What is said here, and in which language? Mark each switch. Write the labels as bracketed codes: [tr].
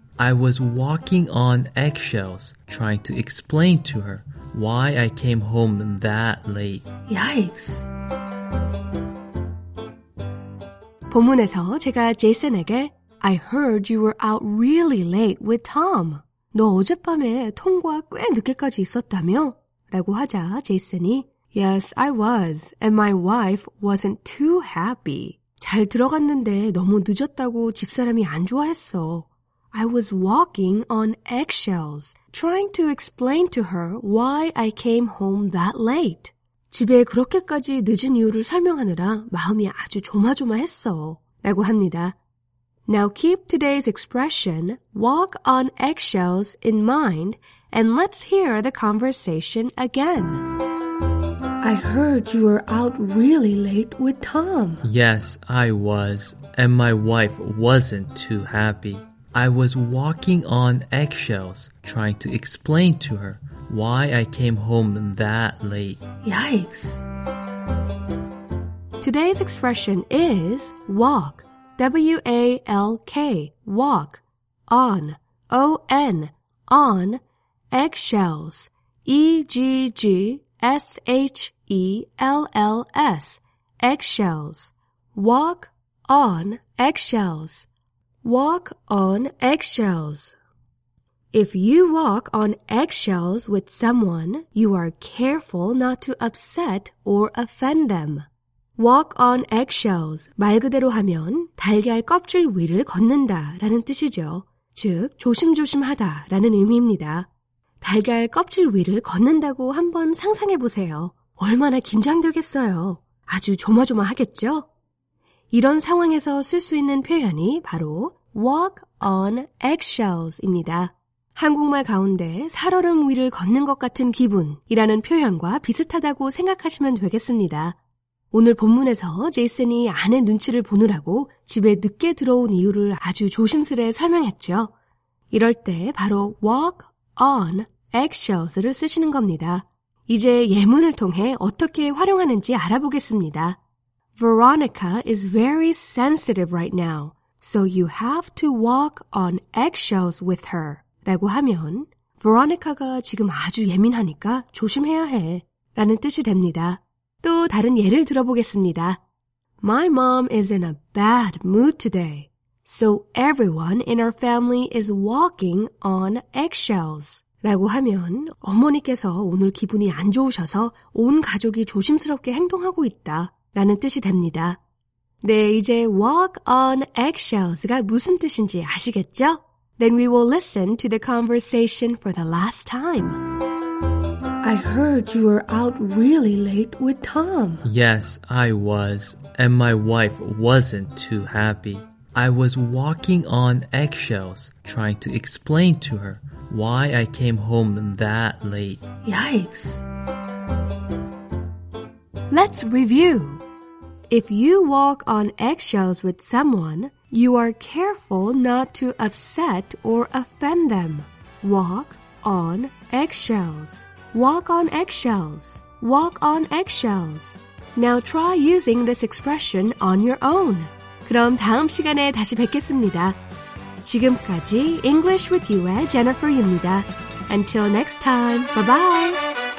[en] I was walking on eggshells, trying to explain to her why I came home that late. Yikes! [ko] 본문에서 제가 제이슨에게 [en] I heard you were out really late with Tom. [ko] 너 어젯밤에 톰과 꽤 늦게까지 있었다며? 라고 하자 제이슨이 [en] Yes, I was, and my wife wasn't too happy. [ko] 잘 들어갔는데 너무 늦었다고 집사람이 안 좋아했어. [en] I was walking on eggshells, trying to explain to her why I came home that late. [ko] 집에 그렇게까지 늦은 이유를 설명하느라 마음이 아주 조마조마했어 라고 합니다. [en] Now keep today's expression, walk on eggshells, in mind, and let's hear the conversation again. I heard you were out really late with Tom. Yes, I was, and my wife wasn't too happy. I was walking on eggshells, trying to explain to her why I came home that late. Yikes! Today's expression is walk, W-A-L-K, walk, on, O-N, on, eggshells, E-G-G-S-H-E-L-L-S, eggshells, walk on eggshells. Walk on eggshells. If you walk on eggshells with someone, you are careful not to upset or offend them. Walk on eggshells. [ko] 말 그대로 하면 달걀 껍질 위를 걷는다 라는 뜻이죠. 즉, 조심조심하다 라는 의미입니다. 달걀 껍질 위를 걷는다고 한번 상상해 보세요. 얼마나 긴장되겠어요. 아주 조마조마하겠죠? 이런 상황에서 쓸 수 있는 표현이 바로 walk on eggshells입니다. 한국말 가운데 살얼음 위를 걷는 것 같은 기분이라는 표현과 비슷하다고 생각하시면 되겠습니다. 오늘 본문에서 제이슨이 아내 눈치를 보느라고 집에 늦게 들어온 이유를 아주 조심스레 설명했죠. 이럴 때 바로 walk on eggshells를 쓰시는 겁니다. 이제 예문을 통해 어떻게 활용하는지 알아보겠습니다. [en] Veronica is very sensitive right now, so you have to walk on eggshells with her. [ko] 라고 하면, Veronica가 지금 아주 예민하니까 조심해야 해. 라는 뜻이 됩니다. 또 다른 예를 들어보겠습니다. [en] My mom is in a bad mood today, so everyone in our family is walking on eggshells. [ko] 라고 하면, 어머니께서 오늘 기분이 안 좋으셔서 온 가족이 조심스럽게 행동하고 있다. 라는 뜻이 됩니다. 네, 이제 walk on eggshells가 무슨 뜻인지 아시겠죠? [en] Then we will listen to the conversation for the last time. I heard you were out really late with Tom. Yes, I was, and my wife wasn't too happy. I was walking on eggshells, trying to explain to her why I came home that late. Yikes! Let's review. If you walk on eggshells with someone, you are careful not to upset or offend them. Walk on eggshells. Walk on eggshells. Walk on eggshells. Now try using this expression on your own. [ko] 그럼 다음 시간에 다시 뵙겠습니다. 지금까지 English with You의 Jennifer 입니다. [en] Until next time, bye-bye!